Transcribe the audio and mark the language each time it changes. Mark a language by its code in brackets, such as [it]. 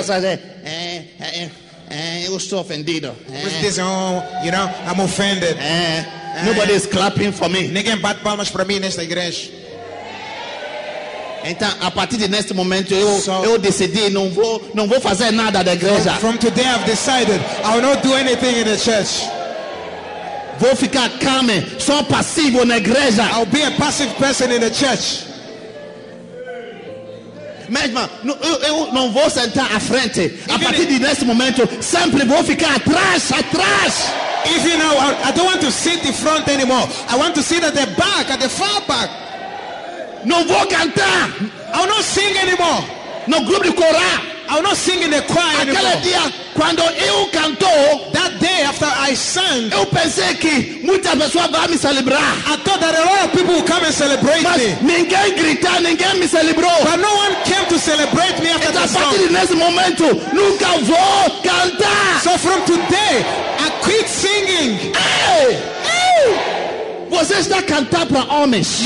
[en] That's what they say. [pt] Eu estou ofendido. [en] I'm offended. Nobody is clapping for me. [pt] Ninguém bate palmas para mim nesta igreja. Então, a partir de neste momento, eu decidi não vou fazer nada da igreja. [en] From today, I've decided I will not do anything in the church. [pt] Vou ficar calmo, só passivo na igreja. [en] I'll be a passive person in the church. [pt] Mesmo, eu não vou sentar à frente. A partir de neste momento, sempre vou ficar atrás. [en] If you know, I don't want to sit in front anymore. I want to sit at the back, at the far back. [pt] Não vou cantar. [en] I will not sing anymore. [pt] No grupo de coral. [en] I will not sing in the choir anymore. [pt] Aquele dia, quando eu cantou, [en] that day after I sang, [pt] eu pensei que muitas pessoas vão me celebrar. [en] I thought that a lot of people will come and celebrate [pt] mas [en] me. [pt] Ninguém grita, ninguém me celebrou. [en] But no one came to celebrate me after that song. [pt] A partir de nesse momento, nunca vou cantar. [en] So from today, I feet singing. [pt] Hey! Hey! Você está cantando para homens.